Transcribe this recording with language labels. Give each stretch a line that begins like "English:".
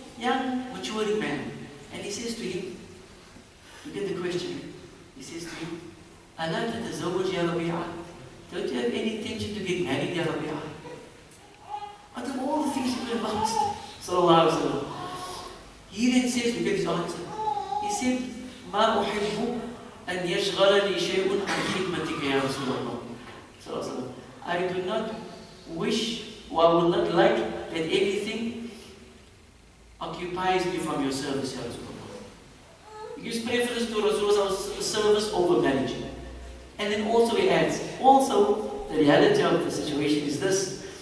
English: Young, maturing man. And he says to him, look at the question. He says to him,
Arabic: ألا تتزوج يا ربيعة؟
English: Don't you have any intention to get married
Arabic: يا ربيعة؟
English: Out of all the things you have asked,
Arabic: صلى الله عليه وسلم.
English: He then says, look at his answer. He said,
Arabic: ما أحب أن يشغلني شيء عن خدمتك يا رسول الله. صلى الله عليه وسلم.
English: I do not wish, or I will not like that anything occupies me from your service,
Arabic: يا رسول الله.
English: He gives preference to Rasulullah's service over marriage. And then also he adds, also the reality of the situation is this,